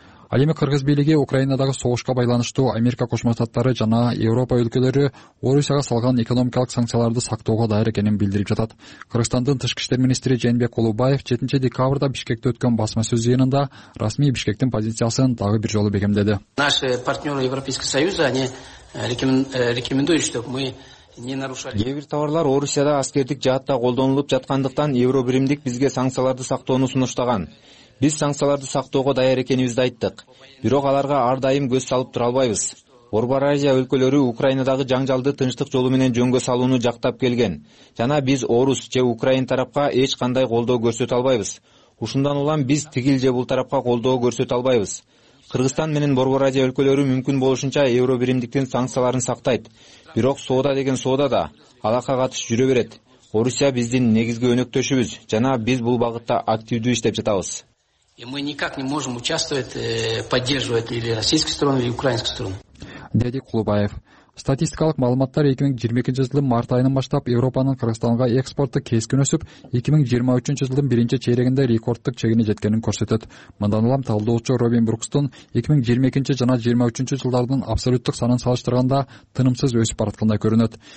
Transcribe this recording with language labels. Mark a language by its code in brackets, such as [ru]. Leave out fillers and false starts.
[ky] Ал эми кыргыз бийлиги Украинадагы согушка байланыштуу Америка Кошмо Штаттары жана Европа өлкөлөрү Орусияга салган экономикалык санкцияларды сактоого даяр экенин билдирип жатат. Кыргызстандын тышкы иштер министри Жээнбек Кулубаев 7-декабрда Бишкекте өткөн басма сөз жыйынында расмий Бишкектин позициясын дагы бир жолу бекемдеди. [ru] Наши партнеры Европейского Союза, они рекомендуют, чтобы мы не нарушали. [ky] Кээбир товарлар Орусияда аскердик жаатта колдонулуп жаткандыктан Евробиримдик бизге санкцияларды сактоону сунуштаган. Биз санкцияларды сактоого даяр экенибизди айттык. Бирок аларга ар дайым көз салып тура албайбыз. Орбор Азия өлкөлөрү Украинадагы жаңжалды тынчтык жолу менен жөнгө салууну жактап келген. Жана биз Орус же Украин тарапка эч кандай колдоо көрсөтө албайбыз. Ушундан улам биз тигил же бул тарапка колдоо көрсөтө албайбыз. Кыргызстан менен Борбор Азия өлкөлөрү мүмкүн болушунча Евробиримдиктин санкцияларын сактайт. Бирок соода деген соода да алака катыш жүрө берет. Орусия биздин негизги өнөктөшүбүз жана биз бул багытта активдүү иштеп жатабыз. [ru] И мы никак не можем участвовать, поддерживать или российскую сторону, или украинскую сторону. [ky] Деди Кулубаев. Статистикалык маалыматтар 2022 жылдын март айынан баштап Европанын Кыргызстанга экспорту кескин өсүп, 2023 жылдын биринчи чейрегинде рекорддук чегине жеткенин көрсөтөт. Мындан улам талдоочу Робин Брукстун 2022 жана 23 жылдардын абсолюттук санын салыштырганда тынымсыз өсүп бараткандай көрүнөт.